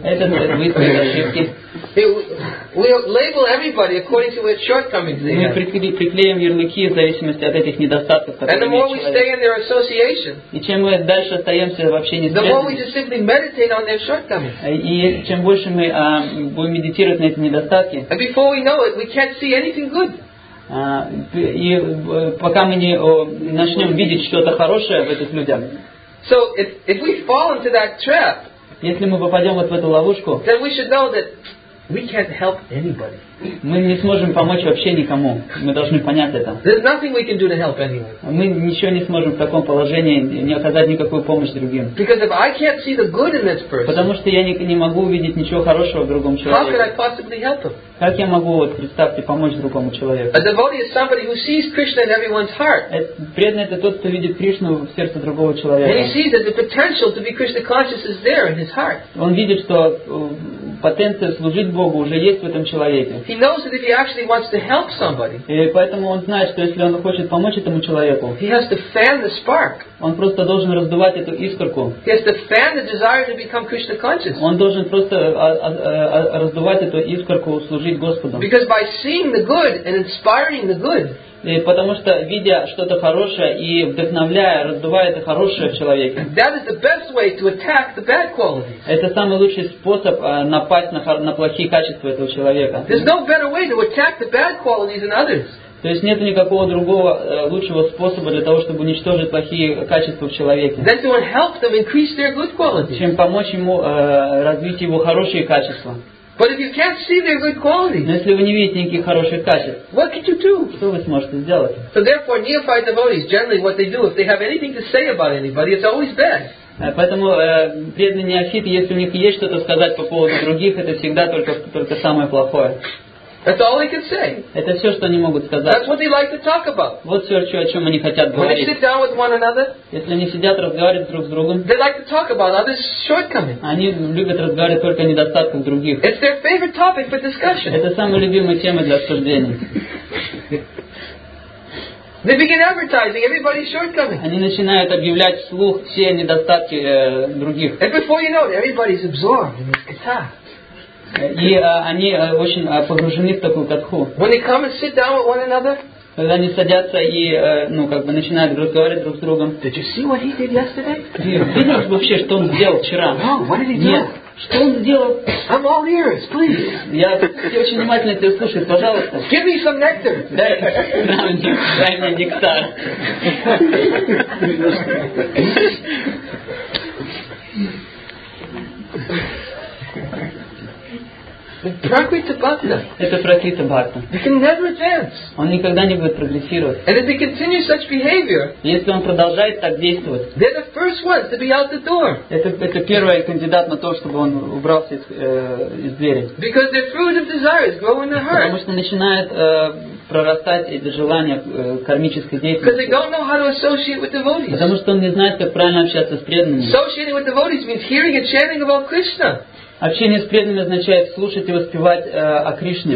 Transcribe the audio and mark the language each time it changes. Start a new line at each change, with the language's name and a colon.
Russian: Этот выискивает ошибки.
English: We label everybody according to its shortcomings.
Russian: Мы приклеим ярлыки в зависимости от этих недостатков, которые имеет человек.
English: And the more we stay in their association,
Russian: и чем мы дальше остаемся в общении с ними,
English: the more we just simply meditate on their shortcomings.
Russian: И чем больше мы будем медитировать на эти недостатки,
English: and before we know it, we can't see anything good.
Russian: И пока мы не начнем видеть что-то хорошее в этих людях.
English: So if we fall into that trap,
Russian: если мы попадем вот в эту ловушку,
English: then we should know that we can't help anybody.
Russian: Мы не сможем помочь вообще никому. Мы должны понять это.
English: There's nothing we can do to help anyone.
Russian: Мы ничего не сможем в таком положении не оказать никакую помощь другим.
English: Because if I can't see the good in this person,
Russian: потому что я не могу увидеть ничего хорошего в другом человеке.
English: How could I possibly help him?
Russian: Как я могу, вот представьте, помочь другому человеку?
English: A devotee is somebody who sees Krishna in everyone's heart.
Russian: Преданный — это тот, кто видит Кришну в сердце другого человека.
English: And he sees that the potential to be Krishna conscious is there in his heart.
Russian: Он видит, что потенция служить Богу уже есть в этом человеке.
English: He knows that if he actually wants to help somebody.
Russian: И поэтому он знает, что если он хочет помочь этому человеку,
English: he has to fan the spark.
Russian: Он просто должен раздувать эту искорку.
English: He has to fan the desire to become Krishna conscious.
Russian: Он должен просто раздувать эту искорку служить Господу.
English: Because by seeing the good and inspiring the good.
Russian: И потому что видя что-то хорошее и вдохновляя, раздувая это хорошее в человеке.
English: That is the best way to attack the bad qualities.
Russian: Это самый лучший способ напасть на плохие качества этого человека.
English: There's no better way to attack the bad qualities in others.
Russian: То есть нет никакого другого лучшего способа для того, чтобы уничтожить плохие качества в человеке.
English: Then to help them increase their good qualities.
Russian: Чем помочь ему развить его хорошие качества.
English: But if you can't see their good qualities,
Russian: но если вы не видите никаких хороших качеств,
English: what could you do?
Russian: Что вы сможете сделать?
English: So therefore, neophyte devotees generally what they do if they have anything to say about anybody, it's always bad.
Russian: Поэтому преданные неофиты, если у них есть что-то сказать по поводу других, это всегда только самое плохое.
English: That's all they can say.
Russian: Это все, что они могут сказать.
English: That's what they like to talk about.
Russian: Вот все, о чем они хотят говорить.
English: When they sit down with one another,
Russian: если они сидят, разговаривают друг с другом,
English: they like to talk about others' shortcomings.
Russian: Они любят разговаривать только о недостатках других.
English: It's their favorite topic for discussion.
Russian: Это самая любимая тема для обсуждения.
English: They begin advertising everybody's shortcomings.
Russian: Они начинают объявлять вслух все недостатки других.
English: And before you know it, everybody's absorbed in this katha.
Russian: И они очень погружены в такую катху.
English: When they come and sit down with one another,
Russian: когда они садятся и начинают разговаривать друг с другом.
English: Did you see what he did yesterday?
Russian: Видел вообще, что он сделал вчера?
English: No, what did he do?
Russian: Что он сделал?
English: I'm all ears, please.
Russian: Я очень внимательно тебя слушаю, пожалуйста.
English: Give me some nectar.
Russian: Дай мне нектар.
English: Prakriti Bhakta.
Russian: Это Prakriti Bhakta.
English: He can never advance.
Russian: Он никогда не будет прогрессировать.
English: And if he continues such behavior,
Russian: если он продолжает так действовать,
English: they're the first ones to be out the door.
Russian: Это первый кандидат на то, чтобы он убрался из двери.
English: Because the fruit of desires grow in the heart.
Russian: Потому что начинает прорастать эти желания кармической деятельности.
English: Because they don't know how to associate with devotees.
Russian: Потому что он не знает, как правильно общаться с преданными.
English: Associating with devotees means hearing and chanting about Krishna.
Russian: Общение с преданными означает слушать и воспевать о Кришне.